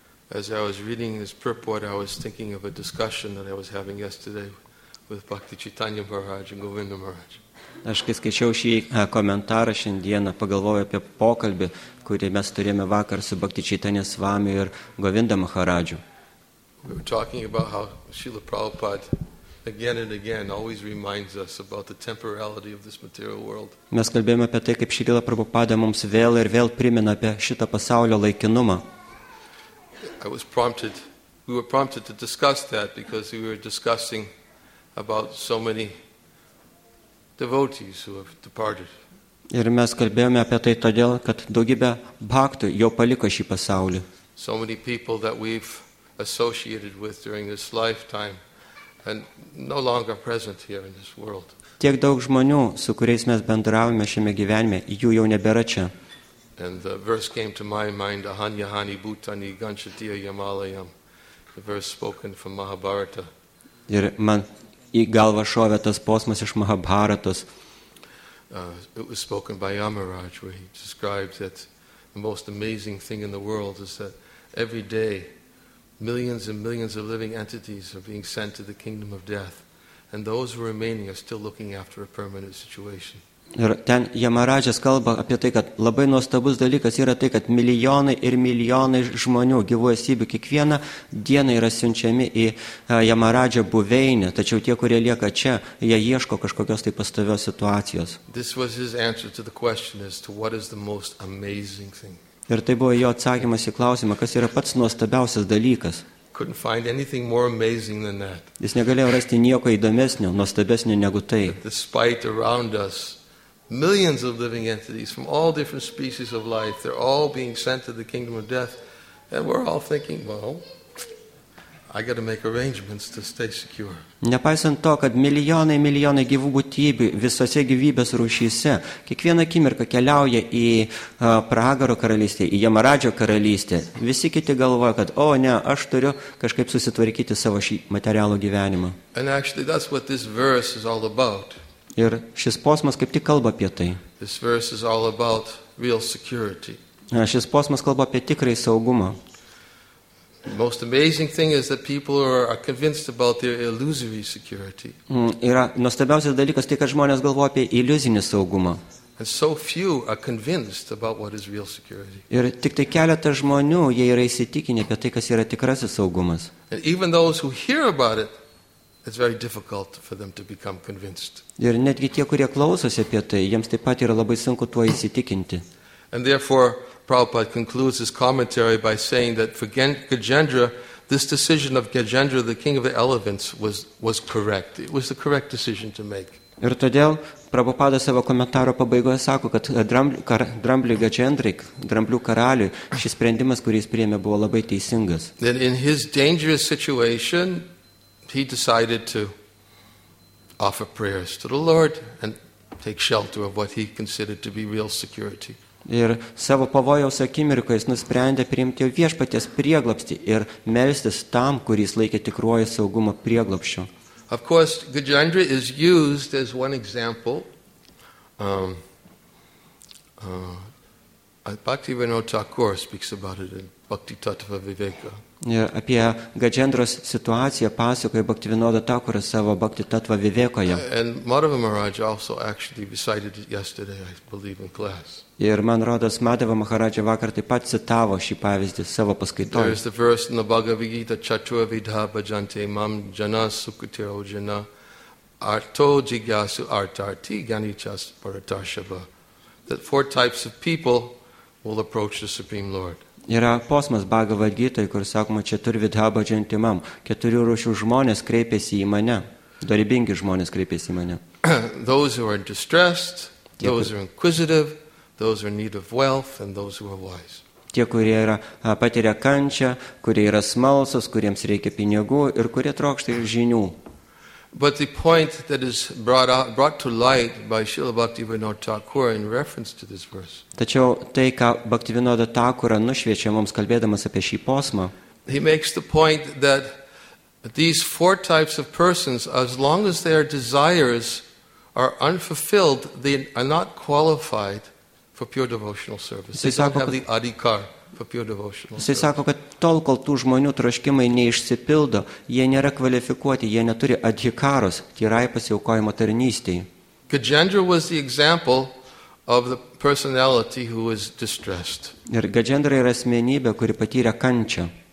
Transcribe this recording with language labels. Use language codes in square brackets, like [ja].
[en] As I was reading this purport, I was thinking of a discussion that I was having yesterday with Bhakti Chaitanya Maharaj and Govinda Maharaj. [lt] Aš kai skaičiau šį komentarą šiandieną, pagalvojau apie pokalbį, kurį mes turėjome vakar su Bhakti Chaitanya Swami ir Govinda Maharaju. [en] We were talking about how Srila Prabhupada again and again always reminds us about the temporality of this material world. [lt] Mes kalbėjome apie tai, kaip Srila Prabhupada mums vėl ir vėl primena apie šitą pasaulio laikinumą. [en] We were prompted to discuss that because we were discussing about so many devotees who have departed. [lt] Ir mes kalbėjome apie tai todėl, kad daugybė bhaktų jau paliko šį pasaulį. [en] So many people that we've associated with during this lifetime and no longer present here in this world. [lt] Tiek daug žmonių, su kuriais mes bendravome šiame gyvenime, jų jau nebėra čia. [en] And the verse came to my mind, [sa] Ahanyahani Bhutani Ganshatiya Yamalayam. [en] The verse spoken from Mahabharata. [lt] Ir man į galvą šovė tas posmas iš Mahabharatos. [en] It was spoken by Yamaraj, where he described that the most amazing thing in the world is that every day millions and millions of living entities are being sent to the kingdom of death, and those who are remaining are still looking after a permanent situation. [lt] Ir ten Yamaraja kalba apie tai, kad labai nuostabus dalykas yra tai, kad milijonai ir milijonai žmonių gyvų esybių kiekvieną dieną yra siunčiami į Yamaraja buveinę, tačiau tie, kurie lieka čia, jie ieško kažkokios tai pastovios situacijos. [en] This was his answer to the question as to what is the most amazing thing. [lt] Ir tai buvo jo atsakymas į klausimą, kas yra pats nuostabiausias dalykas. [en] Couldn't find anything more amazing than that. [lt] Jis negalėjo rasti nieko įdomesnio, nuostabesnio negu tai. [en] Despite around us millions of living entities from all different species of life, they're all being sent to the kingdom of death, and we're all thinking, well, I got to make arrangements to stay secure. [lt] Nepaisant to, kad milijonai milijonai gyvų būtybių visose gyvybės rūšyse kiekvieną akimirką keliauja į pragaro karalystę, į Jamaradžio karalystę, visi kiti galvoja, kad o ne, aš turiu kažkaip susitvarkyti savo šį materialų gyvenimą. [en] And actually that's what this verse is all about. [lt] Ir šis posmas kaip tik kalba apie tai. [en] This verse is all about real security. [lt] Šis posmas kalba apie tikrąjį saugumą. [en] The most amazing thing is that people are convinced about their illusory security. [lt] Yra nuostabiausias dalykas tai, kad žmonės galvoja apie iliuzinį saugumą. [en] And so few are convinced about what is real security. [lt] Ir tik tai keletas žmonių, jie yra įsitikinę apie tai, kas yra tikrasis saugumas. [en] And even those who hear about it, it's very difficult for them to become convinced. [lt] Ir netgi tie, kurie klausosi apie tai, jiems taip pat yra labai sunku tuo įsitikinti. [en] And therefore Prabhupada concludes his commentary by saying that for Gajendra, this decision of Gajendra, the king of the elephants, was correct. It was the correct decision to make. [lt] Ir todėl Prabhupada savo komentaro pabaigoje sako, kad drambliui Gajendrai, dramblių karaliui, šis sprendimas, kurį jis priėmė, buvo labai teisingas. [en] Then in his dangerous situation, he decided to offer prayers to the Lord and take shelter of what he considered to be real security. [lt] Ir savo pavojaus akimirką jis nusprendė priimti viešpaties prieglobstį ir melstis tam, kuris laikė tikruoju saugumo prieglobščiu. [en] Of course, Gajendra is used as one example. Bhaktivinoda Thakur speaks about it in Bhakti Tattva Viveka. [lt] Ir apie Gajendros situaciją pasakoja Bhaktivinoda Thakur savo Bhakti Tattva Vivekoje. [en] And Madhava Maharaj also actually recited it yesterday, I believe, in class. [lt] Ir man rodos, Madhava Maharaja vakar taip pat citavo šį pavyzdį savo paskaitoje. [en] There is the verse in the Bhagavad Gita, [sa] Chatur Vidha Bhajante Mam Jana Sukritiro Jana Arto Jigyasu Artarti Ganichas Paratarshava. [en] That four types of people will approach the Supreme Lord. [lt] Yra posmas Bhagavad Gita, kur sakoma, [sa] Chatur Vidha Bhajante Mam. [lt] Keturių rūšių žmonės kreipėsi į mane. Dorybingi žmonės kreipėsi į mane. [en] Those who are distressed, those who are inquisitive, those who are in need of wealth and those who are wise. [lt] Tie, kurie yra patiria kančią, kurie yra smalsos, kuriems reikia pinigų ir kurie trokšta žinių. [en] But the point that is brought to light by Srila Bhaktivinoda Thakur in reference to this verse. [lt] Tačiau tai, ką Bhaktivinoda Thakura nušviečia mums kalbėdamas apie šį posmą. [en] He makes the point that these four types of persons, as long as their desires are unfulfilled, they are not qualified for pure devotional service. They don't have the adhikar for pure devotional service. [lt] Jis sako, kad tol, kol tų žmonių troškimai neišsipildo, jie nėra kvalifikuoti, jie neturi adhikaros, tyrai pasiaukojimo tarnystei. [en] Gajendra was the example of the personality who is distressed. [lt] Ir Gajendra yra asmenybė, kuri patyrė kančią.